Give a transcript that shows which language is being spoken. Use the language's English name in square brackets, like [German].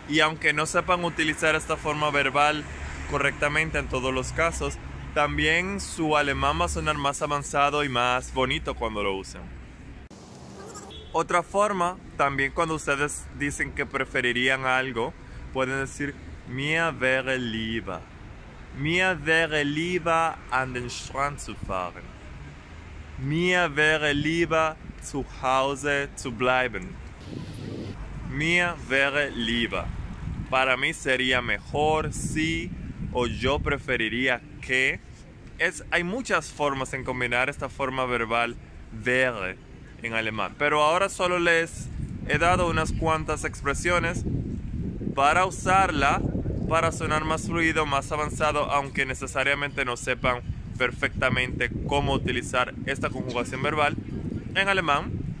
[Spanish] Y aunque no sepan utilizar esta forma verbal correctamente en todos los casos, también su alemán va a sonar más avanzado y más bonito cuando lo usen. Otra forma, también cuando ustedes dicen que preferirían algo, pueden decir Mir wäre lieber. [German] Mir wäre lieber an den Strand zu fahren. Mir wäre lieber zu Hause zu bleiben. Mir wäre lieber. [Spanish] Para mí sería mejor si o yo preferiría que. Hay muchas formas en combinar esta forma verbal wäre en alemán. Pero ahora solo les he dado unas cuantas expresiones para usarla para sonar más fluido, más avanzado, aunque necesariamente no sepan perfectamente cómo utilizar esta conjugación verbal en alemán.